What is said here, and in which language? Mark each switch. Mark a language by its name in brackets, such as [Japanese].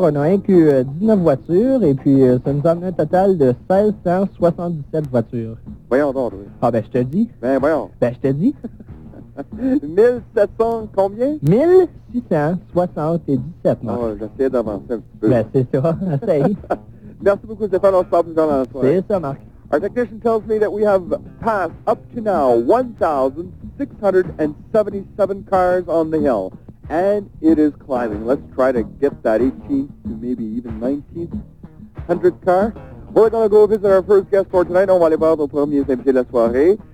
[French] On a inclus 19 voitures et puis ça nous a amené un total de 1677 voitures. Voyons donc, oui. Ah, ben, je te dis. Ben, voyons. Ben, je te dis. 1700 combien? 1677, Marc. Oh, j'essaie d'avancer un petit peu. Ben, c'est ça. Essaye. Merci beaucoup, Stéphane. On se parle plus tard dans la soirée. C'est ça, Marc. [English] Our technician tells me that we have passed up to now 1,677 cars on the hill, and it is climbing. Let's try to get that 18th to maybe even 19th, 100th car. We're going to go visit our first guest for tonight. [French] On va aller voir nos premiers invités de la soirée.